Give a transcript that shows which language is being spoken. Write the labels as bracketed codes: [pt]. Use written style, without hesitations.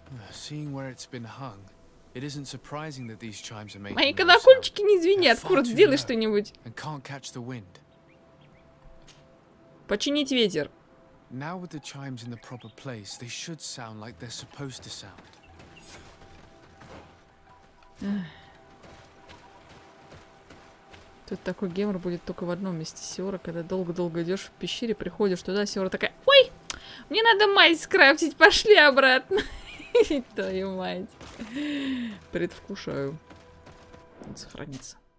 [en] Seeing where it's been hung, it isn't surprising that these chimes are made. [ru] Мои колокольчики не звенят, Курт, сделай что-нибудь. [en] And can't catch the wind. [ru] Починить ветер. [en] Now with the chimes in the proper place, they should sound like they're supposed to sound. [ru] Тут такой гемор будет только в одном месте, Сиора, когда долго-долго идешь в пещере, приходишь туда, Сиора такая: ой, мне надо мазь скрафтить, пошли обратно. Твою мать. Предвкушаю. Надо сохраниться.